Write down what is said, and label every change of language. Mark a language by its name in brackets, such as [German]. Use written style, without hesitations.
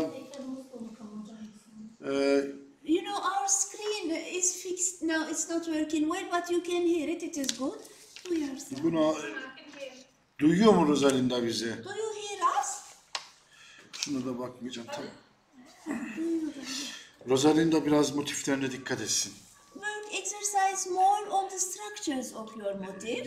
[English] You know, our screen is fixed now, it's not working well, but you can hear it, it is good. [Turkish] Bunu duyuyor mu Rosalinda bizi? [English] Do you hear us? [Turkish] Şuna da bakmayacağım, tamam. Rosalinda biraz motiflerine dikkat etsin. [English] Work exercise more on the structures of your motifs.